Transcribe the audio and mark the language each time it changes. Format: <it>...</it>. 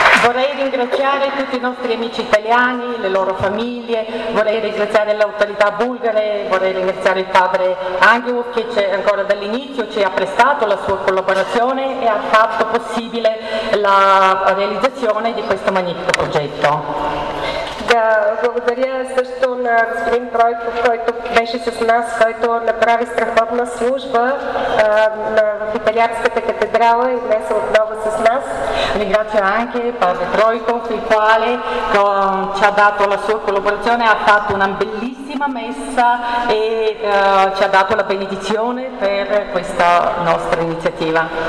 <it>Vorrei ringraziare tutti i nostri amici italiani, le loro famiglie, vorrei ringraziare le autorità bulgare, vorrei ringraziare il padre Angelov che c'è ancora dall'inizio ci ha prestato la sua collaborazione e ha fatto possibile la realizzazione di questo magnifico progetto.</it> <bg>Благодаря също на господин Тройков, който беше с нас, който направи страхотна служба в Италианската катедрала и днес отново с нас.</bg> <it>Ringrazio anche padre Tройков, il quale ci ha dato la sua collaborazione, ha fatto una bellissima messa e ci ha dato la benedizione per questa nostra iniziativa.</it>